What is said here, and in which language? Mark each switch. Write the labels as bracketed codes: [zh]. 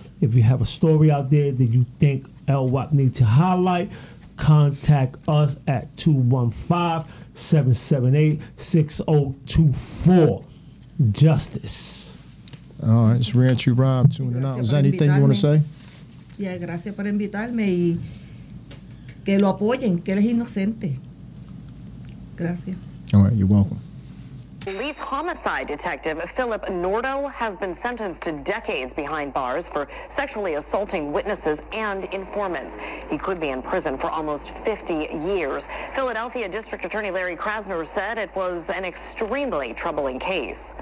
[en] If you have a story out there that you think LWOP need to highlight, contact us at 215-778-6024. Justice. All right, it's Reentry Rob tuning out. Is there anything you want to say? [es] Yeah, gracias por invitarme y que lo apoyen, que él es inocente. Gracias. [en] All right, you're welcome. Police homicide detective Philip Nordo has been sentenced to decades behind bars for sexually assaulting witnesses and informants. He could be in prison for almost 50 years. Philadelphia District Attorney Larry Krasner said it was an extremely troubling case.